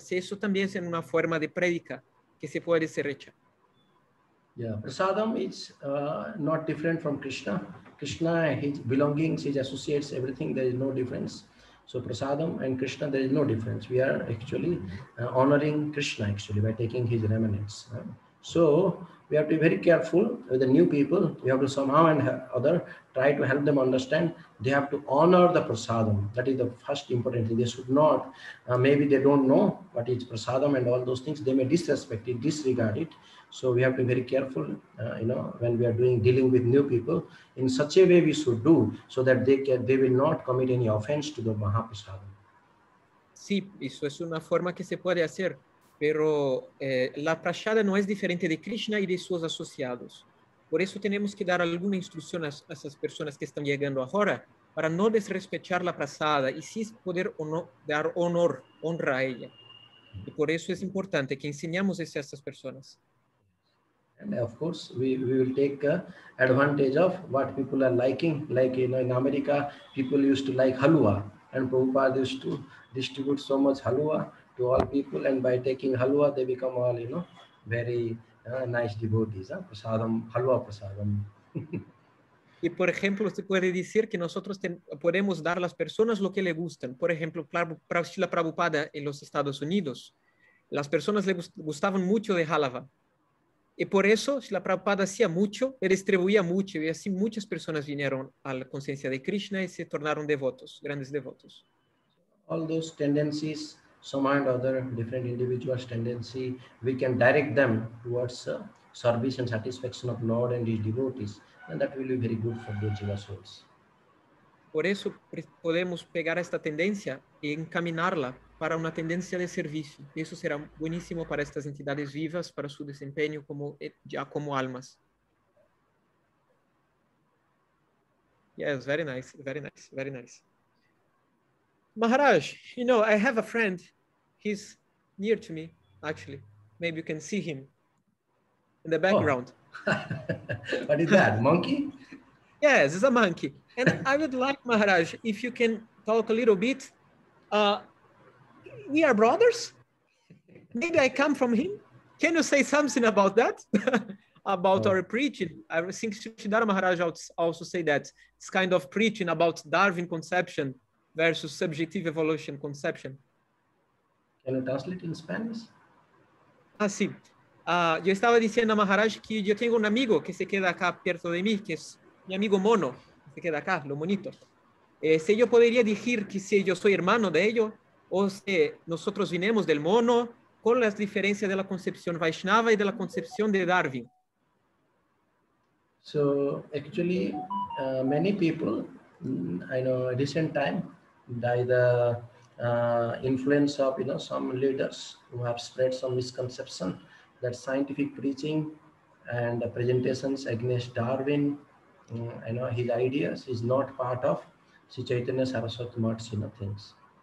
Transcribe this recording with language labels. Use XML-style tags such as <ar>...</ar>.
<es>Si eso también es una forma de prédica que se puede ser hecha.</es> <en>Yeah, prasadam is not different from Krishna. Krishna, his belongings, his associates, everything, there is no difference. So prasadam and Krishna, there is no difference. We are actually honoring Krishna actually by taking his remnants. So we have to be very careful with the new people. We have to somehow and other try to help them understand. They have to honor the prasadam. That is the first important thing. They should not, maybe they don't know what is prasadam and all those things. They may disrespect it, disregard it. So we have to be very careful, you know, when we are dealing with new people in such a way we should do so that they will not commit any offense to the Mahaprasadam.</en> <es>Sí, eso es una forma que se puede hacer. Pero la prasada no es diferente de Krishna y de sus asociados. Por eso tenemos que dar alguna instrucción a esas personas que están llegando ahora para no desrespechar la prasada y sí poder dar honor, honra a ella. Y por eso es importante que enseñamos eso a esas personas.</es> <en>And of course, we will take advantage of what people are liking. Like, you know, in America, people used to like halwa, and Prabhupada used to distribute so much halwa to all people, and by taking halwa, they become all, you know, very nice devotees. Prasadam, halwa prasadam.</en> <es>Y por ejemplo, se puede decir que nosotros podemos dar a las personas lo que le gustan. Por ejemplo, Srila Prabhupada en los Estados Unidos, las personas le gustaban mucho de halwa. Y por eso, si la Prabhupada hacía mucho, le distribuía mucho, y así muchas personas vinieron a la conciencia de Krishna y se tornaron devotos, grandes devotos.</es> <en>All those tendencies, some and other different individuals' tendency, we can direct them towards service and satisfaction of Lord and his devotees, and that will be very good for those jiva souls.</en> <es>Por eso podemos pegar esta tendencia y encaminarla para una tendencia de servicio. Eso será buenísimo para estas entidades vivas, para su desempeño como, ya como almas.</es> <en>Yes, very nice, very nice, very nice. Maharaj, you know, I have a friend. He's near to me, actually. Maybe you can see him in the background. Oh. What is that, monkey? Yes, it's a monkey. And I would like, Maharaj, if you can talk a little bit. We are brothers. Maybe I come from him. Can you say something about that? About our preaching? I think Siddhartha Maharaj also say that. It's kind of preaching about Darwin conception versus subjective evolution conception. Can you translate in Spanish?</en> <es>Ah, sí. Yo estaba diciendo a Maharaj que yo tengo un amigo que se queda acá perto de mí, que es mi amigo mono, que se queda acá, lo monito. Si yo podría decir que si yo soy hermano de ello, o si nosotros vinimos del mono, con las diferencias de la concepción Vaishnava y de la concepción de Darwin.</es> <en>So, actually, many people, I know, recent time, by the influence of, you know, some leaders who have spread some misconception that scientific preaching and the presentations against Darwin, you know, his ideas is not part of Sri Chaitanya Saraswati Mata's, you know, things.</en>